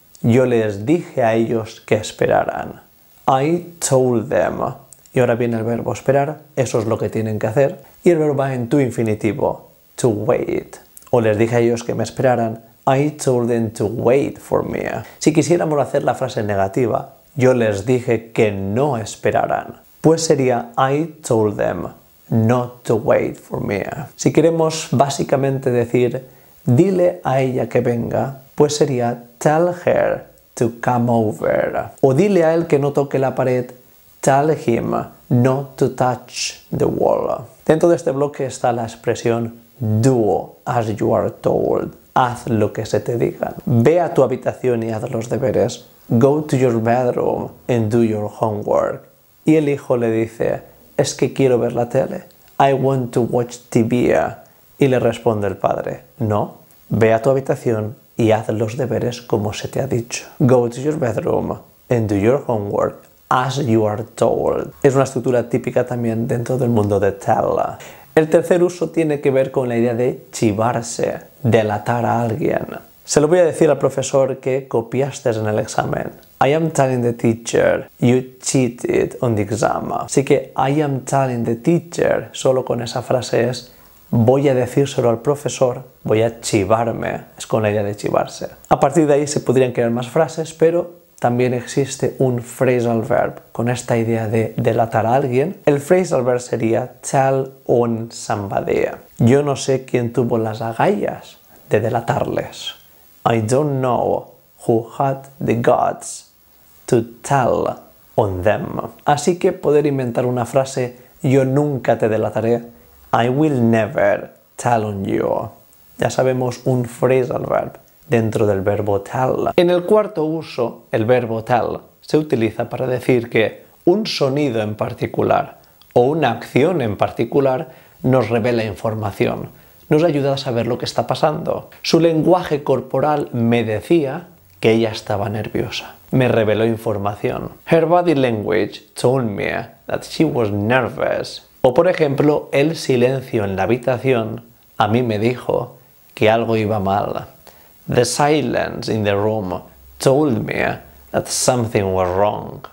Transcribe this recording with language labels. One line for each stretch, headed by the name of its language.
Spanish: Yo les dije a ellos que esperaran.
English: I told them.
Spanish: Y ahora viene el verbo esperar, eso es lo que tienen que hacer. Y el verbo va en tu infinitivo,
English: to wait.
Spanish: O les dije a ellos que me esperaran.
English: I told them to wait for me.
Spanish: Si quisiéramos hacer la frase negativa, yo les dije que no esperaran.
English: Pues sería I told them not to wait for me.
Spanish: Si queremos básicamente decir dile a ella que venga, pues sería
English: tell her to come over.
Spanish: O dile a él que no toque la pared,
English: tell him not to touch the wall.
Spanish: Dentro de este bloque está la expresión
English: do as you are told.
Spanish: Haz lo que se te diga. Ve a tu habitación y haz los deberes.
English: Go to your bedroom and do your homework.
Spanish: Y el hijo le dice, es que quiero ver la tele.
English: I want to watch TV.
Spanish: Y le responde el padre, no, ve a tu habitación y haz los deberes como se te ha dicho.
English: Go to your bedroom and do your homework as you are told.
Spanish: Es una estructura típica también dentro del mundo de tell. El tercer uso tiene que ver con la idea de chivarse, delatar a alguien. Se lo voy a decir al profesor que copiaste en el examen.
English: I am telling the teacher you cheated on the exam.
Spanish: Así que
English: I am telling the teacher,
Spanish: solo con esa frase es voy a decírselo al profesor, voy a chivarme, es con la idea de chivarse. A partir de ahí se podrían crear más frases, pero también existe un phrasal verb con esta idea de delatar a alguien. El phrasal verb sería
English: tell on somebody.
Spanish: Yo no sé quién tuvo las agallas de delatarles.
English: I don't know who had the guts to tell on them.
Spanish: Así que poder inventar una frase, yo nunca te delataré,
English: I will never tell on you.
Spanish: Ya sabemos un phrasal verb dentro del verbo tell. En el cuarto uso, el verbo tell se utiliza para decir que un sonido en particular o una acción en particular nos revela información, nos ayuda a saber lo que está pasando. Su lenguaje corporal me decía que ella estaba nerviosa. Me reveló información.
English: Her body language told me that she was nervous.
Spanish: O por ejemplo, el silencio en la habitación a mí me dijo que algo iba mal.
English: The silence in the room told me that something was wrong.